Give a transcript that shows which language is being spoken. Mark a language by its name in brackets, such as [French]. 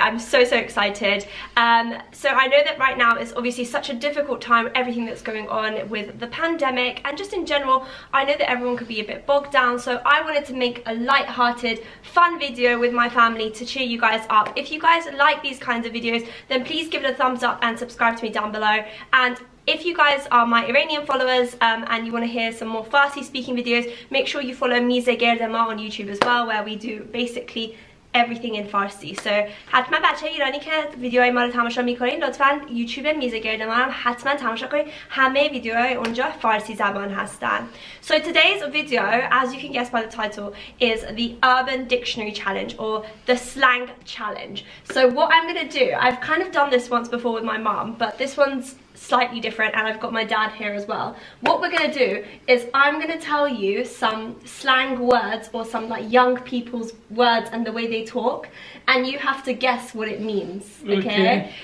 [English] I'm so excited. So I know that right now it's obviously such a difficult time, everything that's going on with the pandemic, and just in general, I know that everyone could be a bit bogged down, so I wanted to make a light-hearted, fun video with my family to cheer you guys up. If you guys like these kinds of videos, then please give it a thumbs up and subscribe to me down below. And if you guys are my Iranian followers and you want to hear some more Farsi speaking videos, make sure you follow Mize Gerdema on YouTube as well, where we do basically everything in Farsi. [Persian] So حتما بچه ایرانی که ویدیوهای ما رو تماشا میکنین لطفا یوتیوب میزه گرد ما رو حتما تماشا کنین. همه ویدیوهای اونجا فارسی زبان هستن. [English] So today's video, as you can guess by the title, is the Urban Dictionary Challenge or the Slang Challenge. So what I'm gonna do, I've kind of done this once before with my mom, but this one's slightly different and I've got my dad here as well. What we're gonna do is I'm gonna tell you some slang words or some like young people's words and the way they talk, and you have to guess what it means. Okay?